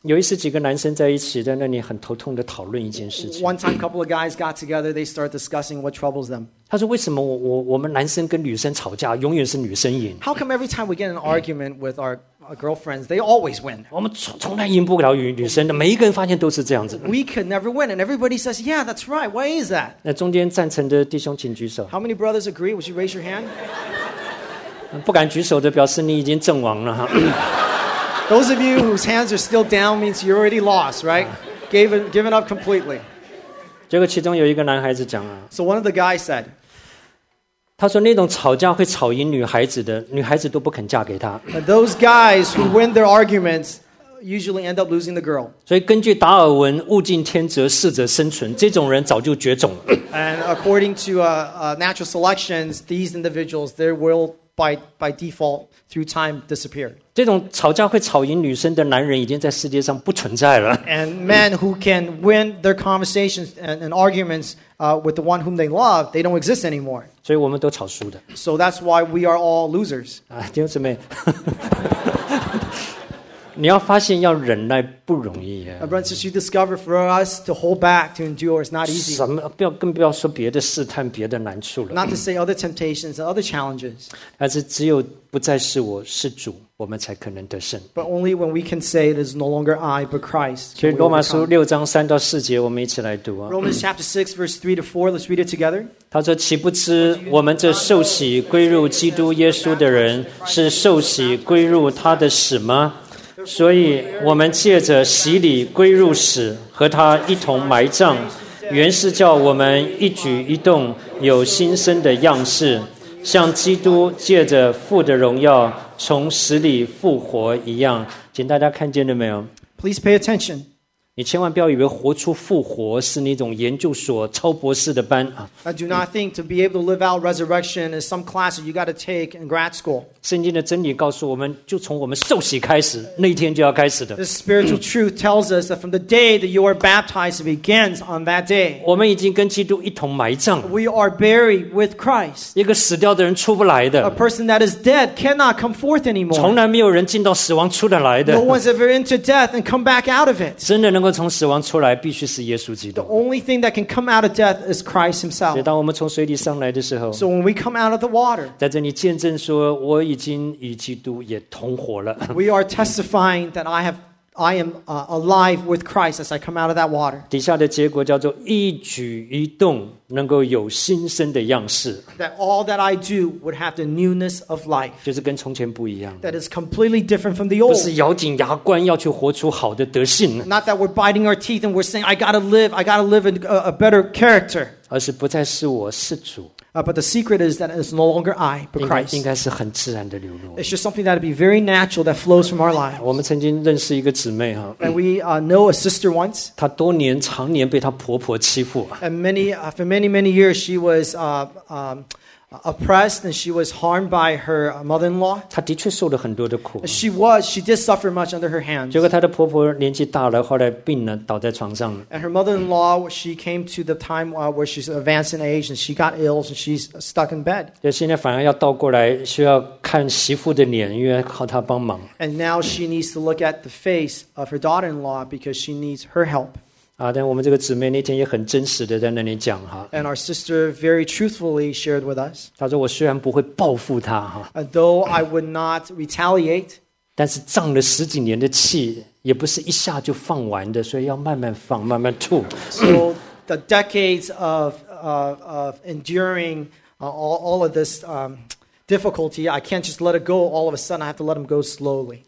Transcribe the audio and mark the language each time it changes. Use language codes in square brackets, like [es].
[zh] 有一次几个男生在一起，在那里很头痛的讨论一件事情。 [en] One time, a couple of guys got together. They start discussing what troubles them. [zh] 他说：“为什么我们男生跟女生吵架，永远是女生赢 [en] ？How come every time we get an argument with our girlfriends, they always win? [zh] 我们从来赢不了女生的，每一个人发现都是这样子。 [en] We can never win, and everybody says, "Yeah, that's right. Why is that?" [zh] 那中间赞成的弟兄，请举手。 [en] How many brothers agree? Would you raise your hand? [zh] 不敢举手的表示你已经阵亡了哈。 [en] Those of you whose hands are still down means you already lost, right? Given up completely. [zh] 结果其中有一个男孩子讲啊。 [en] So one of the guys said, [zh] 他说那种吵架会吵赢女孩子的，女孩子都不肯嫁给他。 [en] But those guys who win their arguments usually end up losing the girl. [zh] 所以根据达尔文，物竞天择，适者生存，这种人早就绝种了。 [en] And according to natural selections, these individuals, they willby default through time disappear [zh] 这种吵架会吵赢女生的男人已经在世界上不存在了 [en] and men who can win their conversations and arguments with the one whom they love they don't exist anymore [zh] 所以我们都吵输的 [en] so that's why we are all losers [zh] 弟兄姊妹你要发现要忍耐不容易、 [en] 啊、Brothers, you discover for us to hold back, to endure is not easy. [zh] 什么不要更不要说别的试探、别的难处了。 [en] Not to say other temptations and other challenges. [zh] 但是只有不再是我是主，我们才可能得胜。 [en] But only when we can say it is no longer I but Christ. [zh] 所以罗马书六章三到四节，我们一起来读啊。 [en] Romans chapter 6 verse 3 to 4, let's read it together. [zh] 他说：“岂不知我们这受洗归入基督耶稣的人，是受洗归入他的死吗？” 所以我们借着洗礼归入死，和他一同埋葬，原是叫我们一举一动有新生的样式，像基督借着父的荣耀从死里复活一样。请大家看见了没有？ [en] Please pay attention. [zh] 你千万不要以为活出复活是那种研究所超博士的班。 [en] I do not think to be able to live out resurrection is some class you got to take in grad school. [zh] 圣经的真理告诉我们，就从我们受洗开始，那一天就要开始的。 [en] The spiritual truth tells us that from the day that you are baptized begins on that day. [zh] 我们已经跟基督一同埋葬。 [en] We are buried with Christ. [zh] 一个死掉的人出不来的。 [en] A person that is dead cannot come forth anymore. [zh] 从来没有人进到死亡出得来的。 [en] No one's ever into death and come back out of it. [zh] 真的能够从死亡出来，必须是耶稣基督。 [en] The only thing that can come out of death is Christ Himself. [zh] 所以当我们从水里上来的时候 [en] ，So when we come out of the water, [zh] 在这里见证说我已经与基督也同活了。 [en] We are testifying that I am alive with Christ as I come out of that water. [zh] 底下的结果叫做一举一动能够有新生的样式。 [en] That all that I do would have the newness of life. [zh] 就是跟从前不一样。 [en] That is completely different from the old. [zh] 不是咬紧牙关要去活出好的德性。 [en] Not that we're biting our teeth and we're saying I gotta live a better character. [zh] 而是不再是我，是主。 [en] But the secret is that it's no longer I, but Christ. [zh] 应该是很自然的流露。 [en] It's just something that would be very natural that flows from our lives. [zh] 我们曾经认识一个姊妹哈。 [en] And we know a sister once. [zh] 她多年常年被她婆婆欺负。 [en] And many, for many, many years she was oppressed and she was harmed by her mother-in-law. [zh] 她的确受了很多的苦。 [en] She did suffer much under her hands. [zh] 结果她的婆婆年纪大了，后来病了，倒在床上了。 [en] And her mother-in-law, she came to the time where she's advanced in age and she got ill and she's stuck in bed. [zh] 现在反而要倒过来，需要看媳妇的脸，因为靠她帮忙。 [en] And now she needs to look at the face of her daughter-in-law because she needs her help. [zh] 但我们这个姊妹那天也很真实的在那里讲哈。 [en] And our sister very truthfully shared with us. [zh] 她说我虽然不会报复她哈。 [en] Though I would not retaliate. [zh] 但是仗了十几年的气，也不是一下就放完的，所以要慢慢放，慢慢吐。 [en] So the decades of enduring all of this difficulty, I can't just let it go all of a sudden. I have to let them go slowly.